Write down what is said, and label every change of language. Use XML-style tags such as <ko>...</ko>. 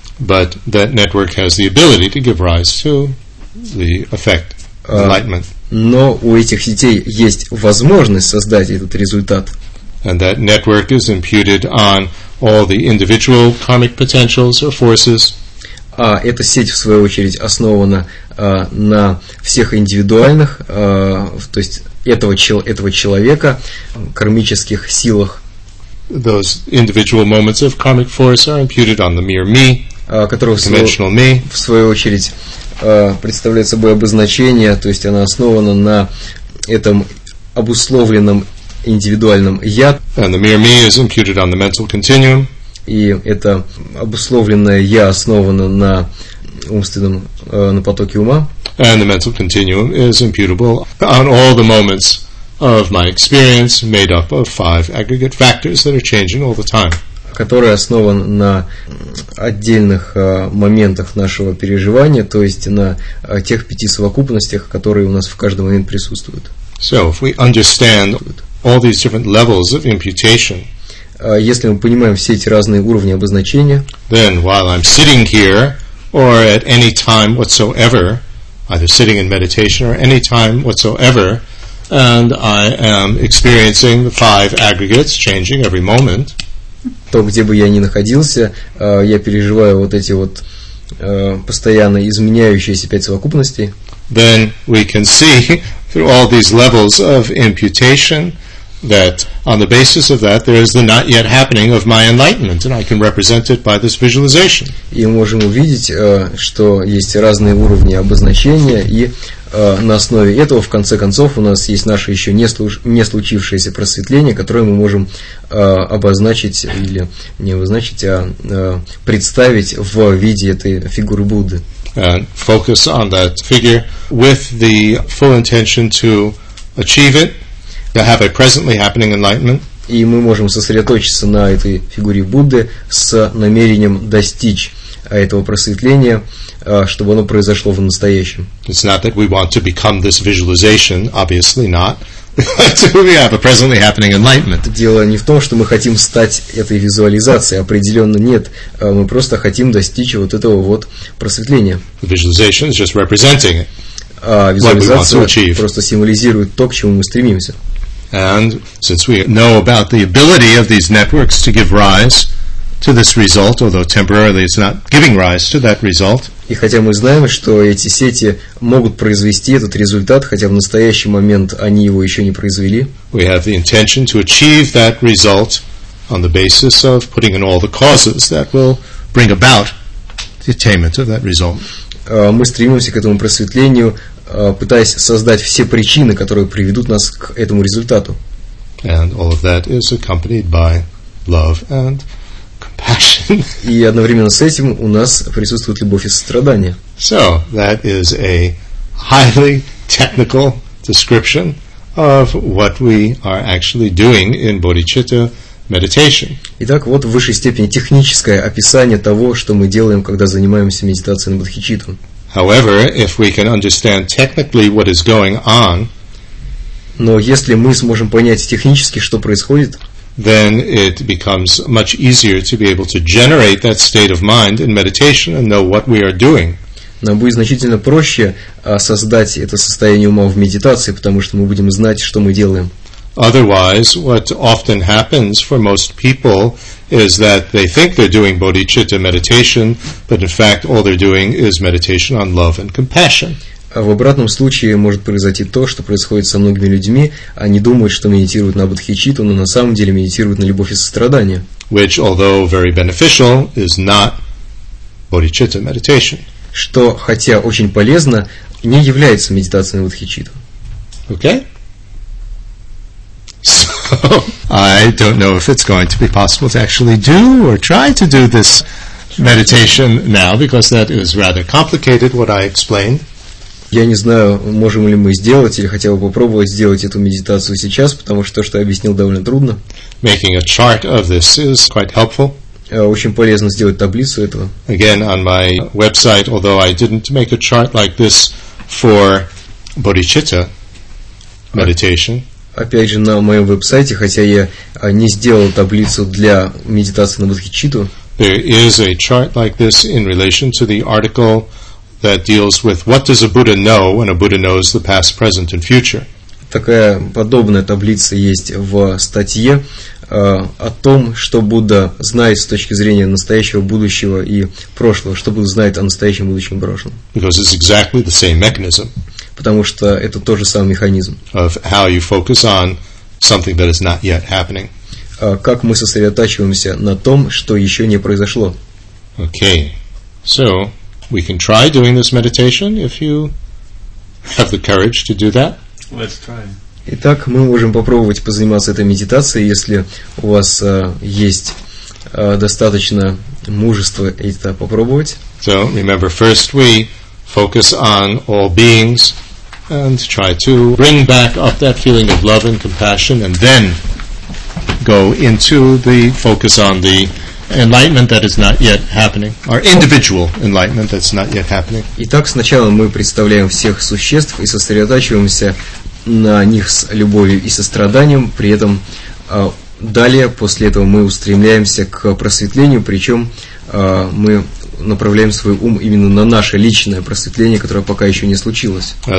<en>But that network has the ability to give rise to the effect, enlightenment.</en> <ru>Но у этих сетей есть возможность создать этот результат.</ru> <en>And that network is imputed on all the individual karmic potentials or forces.</en> <ru>А эта сеть, в свою очередь, основана на всех индивидуальных, то есть этого человека, кармических силах.</ru> <en>Those individual moments of karmic force are imputed on the mere me,</en> <ru>которого</ru> <en>conventional me.</en> <ru>В свою очередь, представляет собой обозначение, то есть она основана на этом обусловленном индивидуальном я.</ru> <en>And the mere me is imputed on the mental continuum.</en> <ru>И это обусловленное я основано на умственном, на потоке ума.</ru> <en>And the mental continuum is imputable on all the moments of my experience made up of five aggregate factors that are changing all the time.</en> <ru>Который основан на отдельных моментах нашего переживания, то есть на тех пяти совокупностях, которые у нас в каждый момент присутствуют.</ru> <en>So, if we understand all these different levels of imputation,</en> <ru>если мы понимаем все эти разные уровни обозначения,</ru> <en>then while I'm sitting here, or at any time whatsoever, either sitting in meditation or any time whatsoever, and I am experiencing the five aggregates changing every moment,</en> <ru>то, где бы я ни находился, я переживаю вот эти вот постоянно изменяющиеся пять совокупностей.</ru> <en>Then we can see through all these levels of imputation that on the basis of that there is the not yet happening of my enlightenment, and I can represent it by this visualization.</en> <ru>И мы можем увидеть, что есть разные уровни обозначения, и на основе этого, в конце концов, у нас есть наше еще не случившееся просветление, которое мы можем обозначить, или не обозначить, а представить в виде этой фигуры Будды.</ru> <en>And focus on that figure with the full intention to achieve it, to have a presently happening enlightenment.</en> <ru>И мы можем сосредоточиться на этой фигуре Будды с намерением достичь этого просветления, чтобы оно произошло в настоящем.</ru> <en>It's not that we want to become this visualization, obviously not. We have a presently happening enlightenment.</en> <ru>Дело не в том, что мы хотим стать этой визуализацией, определенно нет. Мы просто хотим достичь вот этого вот просветления.</ru> <en>The visualization is just representing it.</en> <ru>Визуализация просто символизирует то, к чему мы стремимся.</ru> <en>And since we know about the ability of these networks to give rise to this result, although temporarily it's not giving rise to that result.</en> <ru>И хотя мы знаем, что эти сети могут произвести этот результат, хотя в настоящий момент они его еще не произвели.</ru> <en>We have the intention to achieve that result on the basis of putting in all the causes that will bring about the attainment of that result.</en> <ru>Мы стремимся к этому просветлению, пытаясь создать все причины, которые приведут нас к этому результату.</ru> <en>And all of that is accompanied by love and compassion.</en> <ru>И одновременно с этим у нас присутствует любовь и сострадание.</ru> <en>So that is a highly technical description of what we are actually doing in bodhicitta meditation.</en> <ru>Итак, вот в высшей степени техническое описание того, что мы делаем, когда занимаемся медитацией на бодхичитту.</ru> <en>However, if we can understand technically what is going on,</en> <ru>но если мы сможем понять технически, что происходит,</ru> <en>then it becomes much easier to be able to generate that state of mind in meditation and know what we are doing.</en> <ru>Нам будет значительно проще создать это состояние ума в медитации, потому что мы будем знать, что мы делаем.</ru> <en>Otherwise, what often happens for most people is that they think they're doing bodhicitta meditation, but in fact all they're doing is meditation on love and compassion.</en> <ru>А в обратном случае может произойти то, что происходит со многими людьми. Они думают, что медитируют на бодхичитту, но на самом деле медитируют на любовь и сострадание.</ru> <en>Which, although very beneficial, is not bodhicitta meditation.</en> <ru>Что, хотя очень полезно, не является медитацией на бодхичитту.</ru> <en>Okay? So, I don't know if it's going to be possible to actually do or try to do this meditation now, because that is rather complicated, what I explained.</en> <ru>Я не знаю, можем ли мы сделать или хотя бы попробовать сделать эту медитацию сейчас, потому что то, что я объяснил, довольно трудно.</ru> <en>Making a chart of this is quite helpful.</en> <ru>Очень полезно сделать таблицу этого.</ru> <en>Again, on my website, although I didn't make a chart like this for bodhicitta meditation.</en> <ru>Опять же, на моем веб-сайте, хотя я не сделал таблицу для медитации на бодхичитту.</ru> <en>There is a chart like this in relation to the article that deals with what does a Buddha know when a Buddha knows the past, present, and future.</en> <ru>Такая подобная таблица есть в статье о том, что Будда знает с точки зрения настоящего, будущего и прошлого, что Будда знает о настоящем, будущем и прошлом.</ru> <en>Because it's exactly the same mechanism.</en> <ru>Потому что это тот же самый механизм.</ru> <en>Of how you focus on something that is not yet happening.</en> <ru>Как мы сосредотачиваемся на том, что еще не произошло.</ru> <en>Okay, so we can try doing this meditation if you have the courage to do that. Let's try.</en> <ru>Итак, мы можем попробовать позаниматься этой медитацией, если у вас есть достаточно мужества это попробовать.</ru> <en>So remember, first we focus on all beings and try to bring back up that feeling of love and compassion, and then go into the focus on the enlightenment that is not yet happening, our individual enlightenment that's not yet happening.</en> <ru>Итак, сначала мы представляем всех существ и сосредотачиваемся на них с любовью и состраданием, при этом далее, после этого, мы устремляемся к просветлению, причем мы направляем свой ум именно на наше личное просветление, которое пока еще не случилось.</ru>